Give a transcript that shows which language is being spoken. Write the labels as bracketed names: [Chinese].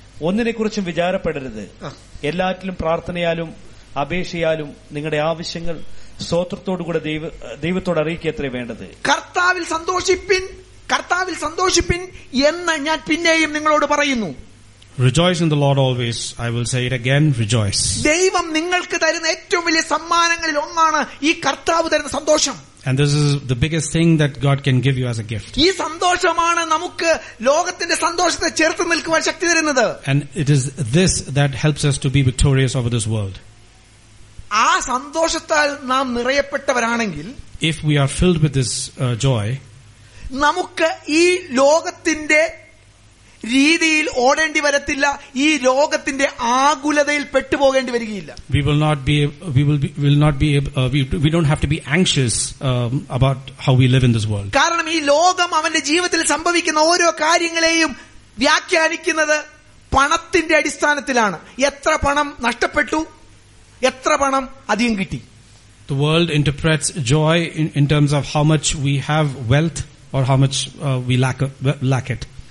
[Malayalam] ഒന്നിനെക്കുറിച്ചും വിചാരപ്പെടരുത്, എല്ലാറ്റിലും പ്രാർത്ഥനയാലും അപേക്ഷയാലും നിങ്ങളുടെ ആവശ്യങ്ങൾ സ്ത്രോത്രത്തോടുകൂടെ ദൈവത്തോട് അറിയിക്കുക അത്രേ വേണ്ടത്. കർത്താവിൽ സന്തോഷിപ്പിൻ, കർത്താവിൽ സന്തോഷിപ്പിൻ എന്ന് ഞാൻ പിന്നെയും നിങ്ങളോട് പറയുന്നു. [English] Rejoice in the Lord always. I will say it again, rejoice. [Malayalam] ദൈവം നിങ്ങൾക്ക് തരുന്ന ഏറ്റവും വലിയ സമ്മാനങ്ങളിൽ ഒന്നാണ് ഈ കർത്താവ് തരുന്ന സന്തോഷം. [English] And this is the biggest thing that God can give you as a gift. [Malayalam] ഈ സന്തോഷമാണ് നമുക്ക് ലോകത്തിന്റെ സന്തോഷത്തെ ചെറുത്തു നിൽക്കുവാൻ ശക്തി തരുന്നത്. [English] And it is this that helps us to be victorious over this world. [Malayalam] ആ സന്തോഷത്താൽ നാം നിറയപ്പെട്ടവരാണെങ്കിൽ, [English] if we are filled with this joy, [Malayalam] നമുക്ക് ഈ ലോകത്തിന്റെ രീതിയിൽ ഓടേണ്ടി വരത്തില്ല, ഈ ലോകത്തിന്റെ ആകുലതയിൽ പെട്ടുപോകേണ്ടി വരികയില്ല. [English] We will not be anxious about how we live in this world. [Malayalam] കാരണം ഈ ലോകം അവന്റെ ജീവിതത്തിൽ സംഭവിക്കുന്ന ഓരോ കാര്യങ്ങളെയും വ്യാഖ്യാനിക്കുന്നത് പണത്തിന്റെ അടിസ്ഥാനത്തിലാണ്. എത്ര പണം നഷ്ടപ്പെട്ടു, എത്ര പണം അധികം കിട്ടി. [English] The world interprets joy in terms of how much we have wealth or how much we lack it.